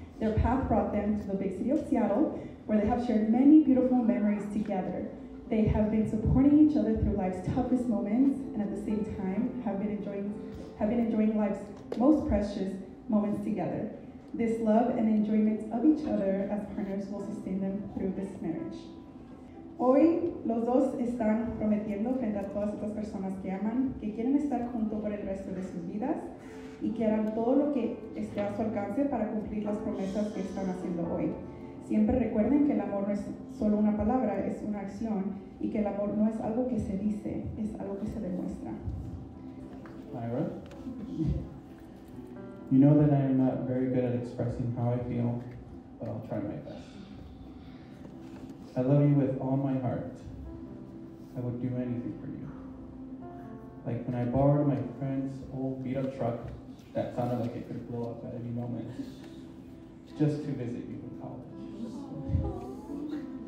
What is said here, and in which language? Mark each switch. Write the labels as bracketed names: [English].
[English] Their path brought them to the big city of Seattle, where they have shared many beautiful memories together. They have been supporting each other through life's toughest moments, and at the same time have been enjoying life's most precious moments together. This love and enjoyment of each other as partners will sustain them through this marriage. [Spanish] Hoy, los dos están prometiendo frente a todas estas personas que aman, que quieren estar junto por el resto de sus vidas, y que harán todo lo que esté a su alcance para cumplir las promesas que están haciendo hoy. Siempre recuerden que el amor no es solo una palabra, es una acción, y que el amor no es algo que se dice, es algo que se demuestra. Maira? [English] You know that I am not very good at expressing how I feel, but I'll try my best. I love you with all my heart. I would do anything for you. Like when I borrowed my friend's old beat-up truck that sounded like it could blow up at any moment, just to visit you in college.